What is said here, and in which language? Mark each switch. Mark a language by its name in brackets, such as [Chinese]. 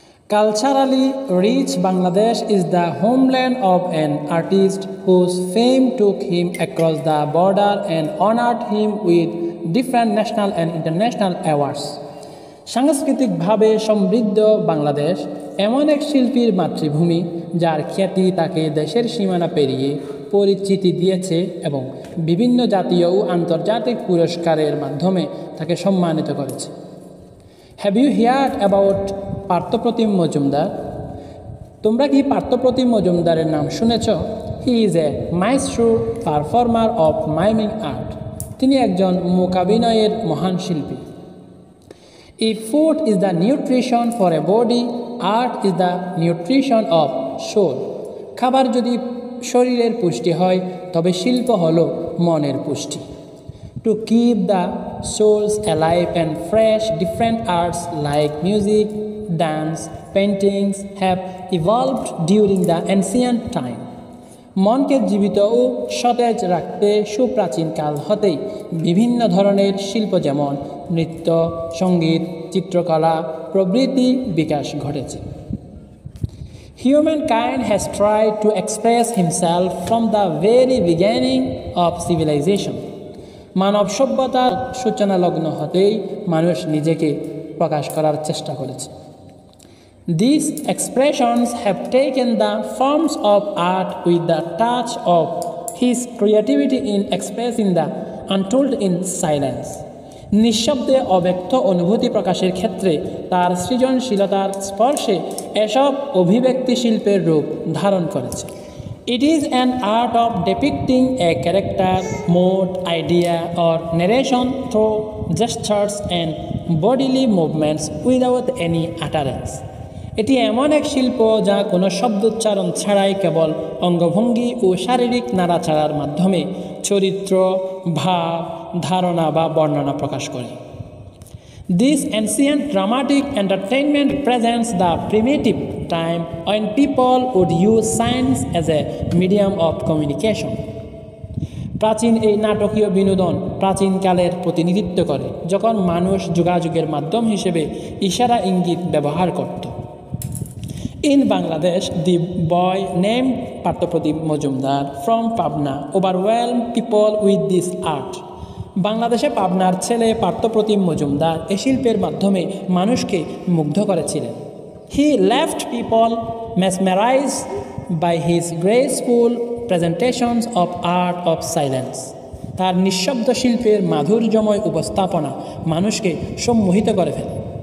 [English] Culturally rich Bangladesh is the homeland of an artist whose fame took him across the border and honored him with different national and international awards. [Bangla] সাংস্কৃতিক ভাবে সমৃদ্ধ বাংলাদেশ এমন এক শিল্পীর মাতৃভূমি যার খ্যাতি তাকে দেশের সীমানা পেরিয়ে পরিচিতি দিয়েছে এবং বিভিন্ন জাতীয় ও আন্তর্জাতিক পুরস্কারের মাধ্যমে তাকে সম্মানিত করেছে. [English] Have you heard about Partha Pratim Majumdar? [Bangla] তোমরা কি পার্থ প্রতিম মজুমদারের নাম শুনেছ? [English] He is a maestro performer of miming art. [Bangla] তিনি একজন মূকাভিনয়ের মহান শিল্পী. [English] If food is the nutrition for a body, art is the nutrition of soul. [Bangla] খাবার যদি শরীরের পুষ্টি হয় তবে শিল্প হলো মনের পুষ্টি. [English] To keep the souls alive and fresh, different arts like music, dance, paintings have evolved during the ancient time. [Bangla] মনকে জীবিত ও সতেজ রাখতে সুপ্রাচীনকাল হতেই বিভিন্ন ধরনের শিল্প যেমন নৃত্য, সঙ্গীত, চিত্রকলা প্রভৃতি বিকাশ ঘটেছে. [English] Humankind has tried to express himself from the very beginning of civilization. [Bangla] মানব সভ্যতার সূচনা লগ্ন হতেই মানুষ নিজেকে প্রকাশ করার চেষ্টা করেছে. [English] These expressions have taken the forms of art with the touch of his creativity in expressing the untold in silence. [Bangla] নিঃশব্দে অব্যক্ত অনুভূতি প্রকাশের ক্ষেত্রে তার সৃজনশীলতার স্পর্শে এসব অভিব্যক্তি শিল্পের রূপ ধারণ করেছে. [English] It is an art of depicting a character mood idea or narration through gestures and bodily movements without any utterance. [Bangla] এটি এমন এক শিল্প যা কোনো শব্দ উচ্চারণ ছাড়াই কেবল অঙ্গভঙ্গি ও শারীরিক নাড়াচাড়ার মাধ্যমে চরিত্র, ভাব, ধারণা বা বর্ণনা প্রকাশ করে. [English] This ancient dramatic entertainment presents the primitive time when people would use silence as a medium of communication. [Bangla] প্রাচীন এই নাটকীয় বিনোদন প্রাচীনকালের প্রতিনিধিত্ব করে যখন মানুষ যোগাযোগের মাধ্যম হিসেবে ইশারা ইঙ্গিত ব্যবহার করত. [English] In Bangladesh, the boy named Partha Pratim Majumder from Pabna overwhelmed people with this art. [Bangla] বাংলাদেশে পাবনার ছেলে পার্থ প্রতিম মজুমদার এ শিল্পের মাধ্যমে মানুষকে মুগ্ধ করেছিলেন. [English] He left people mesmerize by his graceful presentations of art of silence. [Bangla] তার নিঃশব্দ শিল্পের মাধুর্যময় উপস্থাপনা মানুষকে সম্মোহিত করে ফেলে.